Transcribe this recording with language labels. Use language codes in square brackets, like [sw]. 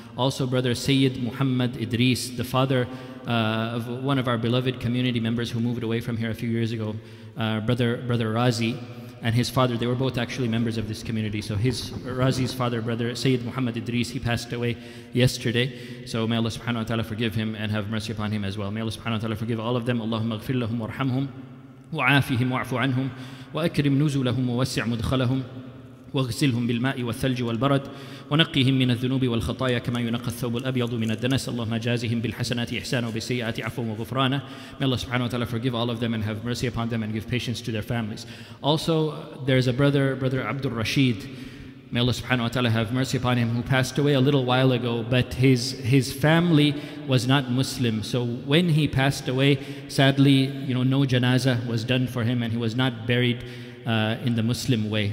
[en] Also, Brother Sayyid Muhammad Idris, the father of one of our beloved community members who moved away from here a few years ago, Brother Razi, and his father, they were both actually members of this community. So Razi's father, Brother Sayyid Muhammad Idris, he passed away yesterday. So may Allah subhanahu wa ta'ala forgive him and have mercy upon him as well. May Allah subhanahu wa ta'ala forgive all of them. [ar] Allahumma ghafir lahum warhamhum wa'afihim wa'afu anhum wa'akrim nuzulahum wa'wasi' mudkhalahum واغسلهم بالماء والثلج والبرد ونقهم من الذنوب والخطايا كما ينقى الثوب الأبيض من الدنس اللهم جازهم بالحسنات إحسانا وبالسيئات عفوا وغفرانا. [en] May Allah subhanahu wa ta'ala forgive all of them and have mercy upon them and give patience to their families. Also, there's a brother Abdul Rashid. May Allah subhanahu wa ta'ala have mercy upon him, who passed away a little while ago, but his family was not Muslim. So when he passed away, sadly, no janazah was done for him and he was not buried in the Muslim way.